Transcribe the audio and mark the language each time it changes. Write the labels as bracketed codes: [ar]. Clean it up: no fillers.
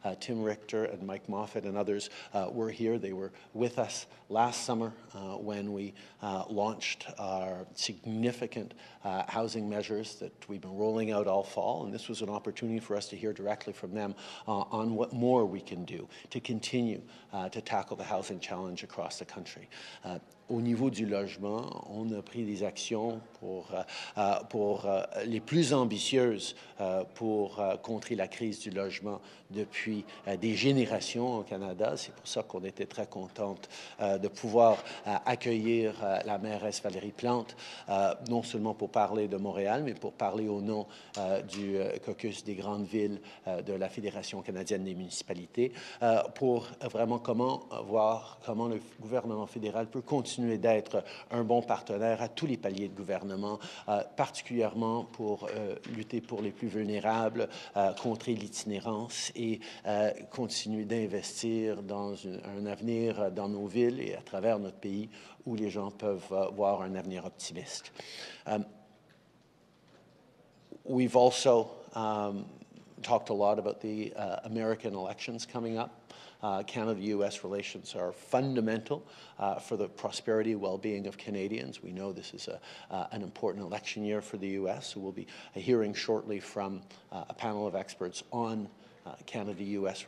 [en] Tim Richter and Mike Moffitt and others were here. They were with us last summer when we launched our significant housing measures that we've been rolling out all fall. And this was an opportunity for us to hear directly from them on what more we can do to continue to tackle the housing challenge across the country. [fr] Au niveau du logement, on a pris des actions pour les plus ambitieuses pour contrer la crise du logement depuis des générations au Canada. C'est pour ça qu'on était très contente de pouvoir accueillir la mairesse Valérie Plante, non seulement pour parler de Montréal, mais pour parler au nom du caucus des grandes villes de la Fédération canadienne des municipalités, pour vraiment voir comment le gouvernement fédéral peut continuer d'être un bon partenaire à tous les paliers de gouvernement, particulièrement pour lutter pour les plus vulnérables, contrer l'itinérance et continuer d'investir dans un avenir dans nos villes et à travers notre pays où les gens peuvent voir un avenir optimiste. [en] We've also talked a lot about the American elections coming up. Canada-U.S. relations are fundamental for the prosperity and well-being of Canadians. We know this is an important election year for the U.S., so we'll be hearing shortly from a panel of experts on Canada-U.S.